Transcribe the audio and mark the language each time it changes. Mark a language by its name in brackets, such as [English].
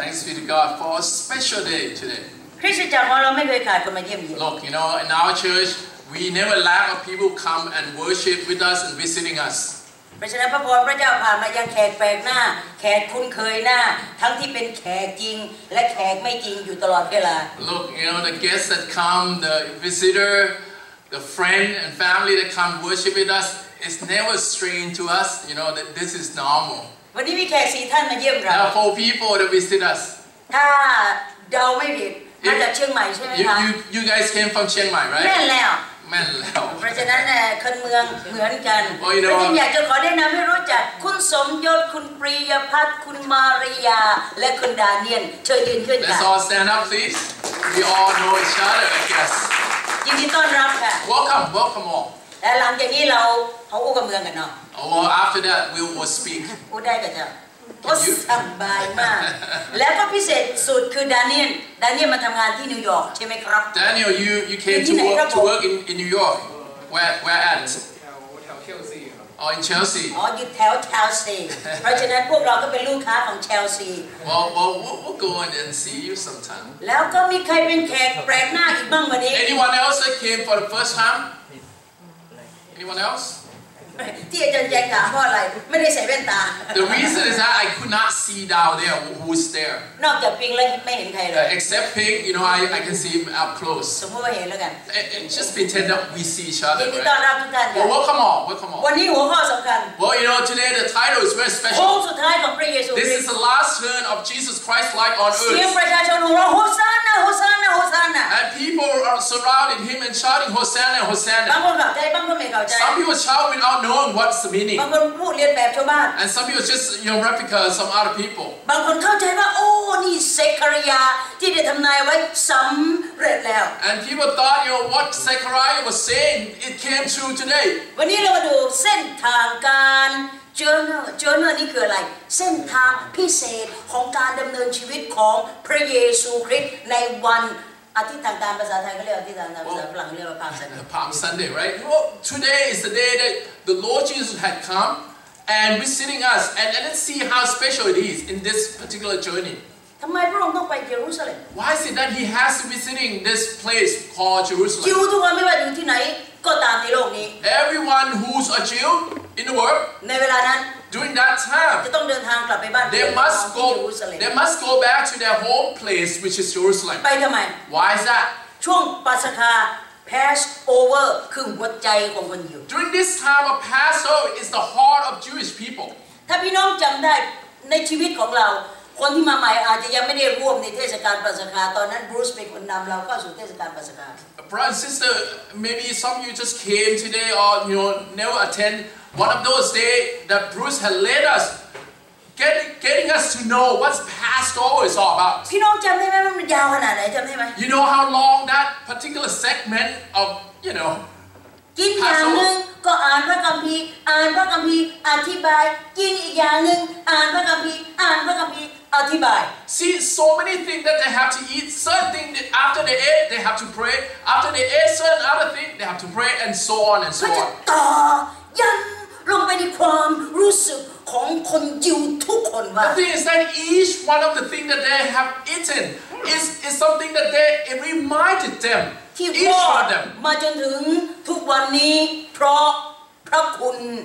[English] Thanks be to God for a special day today [Thai] คริสตจักรของเราไม่เคยขาดคนมาเยี่ยมเยียน [English] Look you know in our church we never lack of people come and worship with us and visiting us [Thai] เพราะฉะนั้นพระพรพระเจ้าพามายังแขกแปลกหน้าแขกคุ้นเคยหน้าทั้งที่เป็นแขกจริงและแขกไม่จริงอยู่ตลอดเวลา [English] Look you know the guests that come the visitor the friend and family that come worship with us it's never strange to us you know that this is normal [Thai] วันนี้มีแขก4ท่านมาเยี่ยมเรา [English] Now four people that visit us [Thai] ถ้าเดาไม่ผิดมาจากเชียงใหม่ใช่ไหมคะ [English] you guys came from เชียงใหม่ right [Thai] แม่นแล้ว แม่นแล้ว เพราะฉะนั้นน่ะคนเมืองเหมือนกัน โอ้ยนะ ผมอยากจะขอแนะนำให้รู้จักคุณสมยศคุณปรียภัทรคุณมาริยาและคุณดาเนียลเชิญยืนขึ้นค่ะ [English] Let's all stand up please We all know each other I guess [Thai] ยินดีต้อนรับค่ะ [English] Welcome welcome all [Thai] และหลังจากนี้เราเขาอู้กับเมืองกันเนาะ [English] Oh, after that, we will speak. Udai kaja. Osambaima. [Thai] แล้วก็พิเศษสุดคือ Daniel. Daniel มาทำงานที่ New York ใช่ไหมครับ [English] Daniel, you came to work in New York. Where at? [Thai] แถว Chelsea. [English] Oh, in Chelsea. [Thai] อ๋ออยู่แถว Chelsea. เพราะฉะนั้นพวกเราก็เป็นลูกค้าของ Chelsea. [English] Well, we'll go in and see you sometime. [Thai] แล้วก็มีใครเป็นแขกแปลกหน้าอีกบ้างวันนี้ [English] Anyone else that came for the first time? Anyone else? [Thai] ที่อาจารย์แจ้งถามเพราะอะไรไม่ได้ใส่แว่นตา [English] The reason is that I could not see down there who's there [Thai] นอกจากพิงแล้วไม่เห็นใครเลย [English] Except Pink, you know I can see him up close [Thai] สมมติว่าเห็นแล้วกัน [English] And just pretend that we see each other [Thai] ยินดีต้อนรับทุกท่าน ครับ [English] Welcome on [Thai] วันนี้หัวข้อสำคัญ [English] Well you know today the title is very special [Thai] โค้งสุดท้ายของพระเยซู [English] This is the last turn of Jesus Christ life on earth [Thai] เสียงประชาชนร้องโฮซานนาโฮซานนาโฮซานนา [English] And people are surrounding him and shouting Hosanna Hosanna [Thai] บางคนเข้าใจบางคนไม่เข้าใจ [English] Some people shout withoutKnowing what's the meaning. And some people just, you know, replica some other people. [Thai] บางคนเข้าใจว่า oh, นี่เซคารียาที่ได้ทำนายไว้สำเร็จแล้ว [English] And people thought, you know, what Zechariah was saying, it came true today. [Thai] วันนี้เรามาดูเส้นทางการJournal นี่คืออะไรเส้นทางพิเศษของการดำเนินชีวิตของพระเยซูคริสต์ในวันอาทิตย์ทางการภาษาไทยเขาเรียกอาทิตย์ทางการภาษาฝรั่งเรียกว่า Palm Sunday [English] Palm Sunday right well today is the day that the Lord Jesus had come and visiting us and let's see how special it is in this particular journey [Thai] ทำไมพระองค์ต้องไปเยรูซาเล็ม [English] Why is it that he has to be visiting this place called Jerusalem [Thai] ยิวทุกคนไม่ว่าอยู่ที่ไหนก็ตามในโลกนี้ [English] Everyone who's a Jew in the world [Thai] ในเวลานั้น [English] During that time, they must go back to their home place, which is Jerusalem. Why is that? During Pascha, Passover is the heart of Jewish people. During this time of Passover, is the heart of Jewish people. [Thai] ถ้าพี่น้องจำได้ในชีวิตของเราคนที่มาใหม่อาจจะยังไม่ได้ร่วมในเทศกาลปัสกาตอนนั้นบรูซเป็นคนนำเราเข้าสู่เทศกาลปัสกา [English] Brother and sister, maybe some of you just came today or you know never attendOne of those days that Bruce had led us, getting us to know what Passover is all about. [Thai] พี่น้องจำได้ไหมมันยาวขนาดไหนจำได้ไหม [English] You know how long that particular segment of you know. [Thai] กินอย่างหนึ่งก็อ่านพระคัมภีร์อ่านพระคัมภีร์อธิบายกินอีกอย่างหนึ่งอ่านพระคัมภีร์อ่านพระคัมภีร์ [English] See, so many things that they have to eat. Certain things that after they ate, they have to pray. After they ate, certain other thing they have to pray, and so on and so on. [Thai] ต่อยันลงไปในความรู้สึกของคนยิวทุกคนว่า [English] The thing is that each one of the things that they have eaten is something that they it reminded them. [Thai] ที่ว่ามาจนถึงทุกวันนี้เพราะพระคุณ